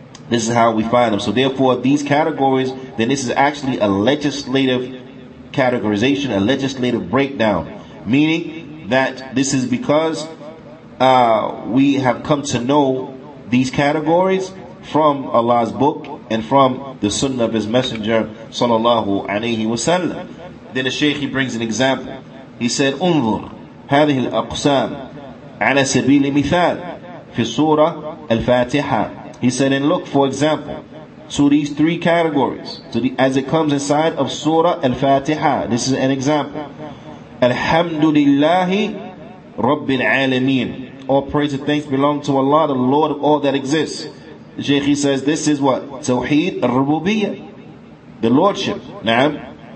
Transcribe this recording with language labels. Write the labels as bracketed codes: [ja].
[en] This is how we find them. So therefore, these categories, then this is actually a legislative categorization, a legislative breakdown, meaning that this is because we have come to know these categories from Allah's book and from the sunnah of His Messenger sallallahu alayhi wa sallam. Then the Shaykh, he brings an example. He said, [ar] انظر هذه الأقسام على سبيل المثال في سورة الفاتحة. [en] He said, and look, for example, to these three categories, as it comes inside of Surah Al-Fatiha. This is an example. [ar] Alhamdulillahi Rabbil Alameen. [en] All praise and thanks belong to Allah, the Lord of all that exists. Shaykh, he says, this is what? Tawheed Ar-Rububiyyah. The Lordship. Naam.